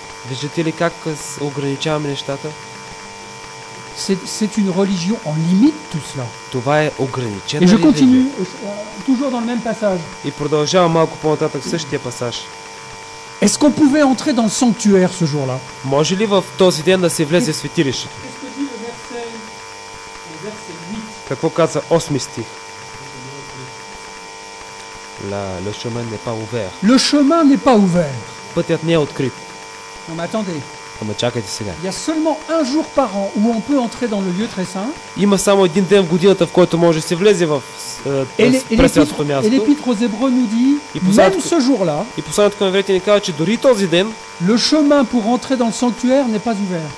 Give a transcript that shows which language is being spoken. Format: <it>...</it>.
<bg>Виждате ли как ограничаваме нещата?</bg> <fr>C'est une religion en limite tout cela.</fr> <bg>Това е ограничена религия.</bg> <fr>Et je continue toujours dans le même passage.</fr> <bg>И продължавам малко по-нататък в същия пасаж.</bg> <fr>Est-ce qu'on pouvait entrer dans le sanctuaire ce jour-là?</fr> <bg>Може ли в този ден да се влезе в светилището? Какво казва 8 стих?</bg> <fr>Le chemin n'est pas ouvert. Le chemin n'est pas ouvert.</fr> <bg>Пътят не е открит.</bg> <fr>Non, mais attendez.</fr> <bg>Ама чакайте сега.</bg> <fr>Il y a seulement un jour par an où on peut entrer dans le lieu très saint.</fr> <bg>Има само един ден в годината, в който може да се влезе в пресвятото място.</bg> <fr>Et l'Épître aux Hébreux nous dit, même ce jour-là,</fr> <bg>и посланието към евреите ни казва, че дори този ден,</bg> <fr>le chemin pour entrer dans le sanctuaire n'est pas ouvert.</fr>